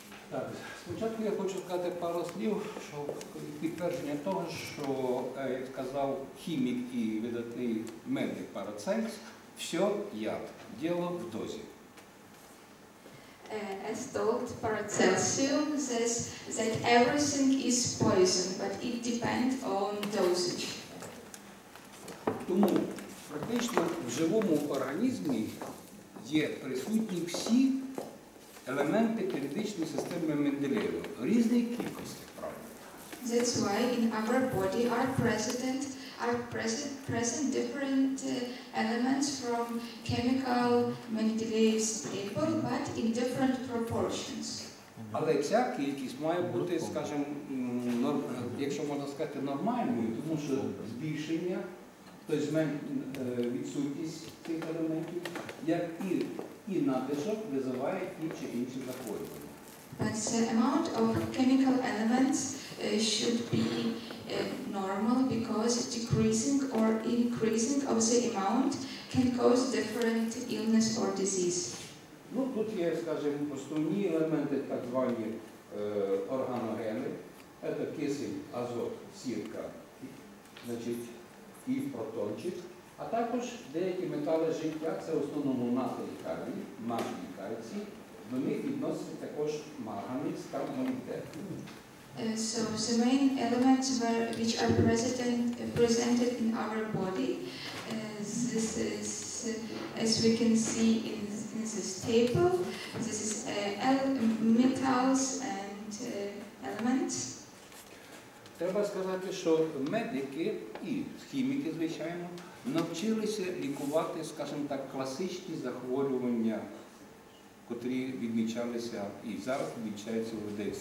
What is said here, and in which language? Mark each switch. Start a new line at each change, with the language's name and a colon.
Ukrainian: Так, спочатку я хочу сказати пару слів, що підтвердження того, що, як сказав хімік і видатний медик Парацельс, все яд, діло в дозі.
English: As told Paracelsium, says that everything is poison, but it depends on dosage.
Ukrainian: Тому фактично в живому організмі є присутні всі елементи клітичної системи Менделєєва в різній кількості.
English: That's why in our body are present different elements from chemical Mendeleev table, but in different proportions.
Ukrainian: Але ця кількість має бути, скажімо, якщо можна сказати, нормальною, тому що збільшення, тобто відсутність цих елементів, як і надлишок визиває ті чи інші захворювання.
English: But the amount of chemical elements should be normal because decreasing or increasing of the amount can cause different illness or disease.
Ukrainian: Ну, тут є, скажімо, основні елементи, так звані органогени. Це кисень, азот, сірка, значить, і протончик. А також деякі метали життя, це в основному натрій калій, магній кальцій. До них відноситься також марганець та молібден.
English: So the main elements which are presented in our body, this is, as we can see in this table, this is metals and elements.
Ukrainian: Треба сказати, що медики і хіміки, звичайно, навчилися лікувати, скажімо так, класичні захворювання, котрі відмічалися і зараз відмічаються у людей.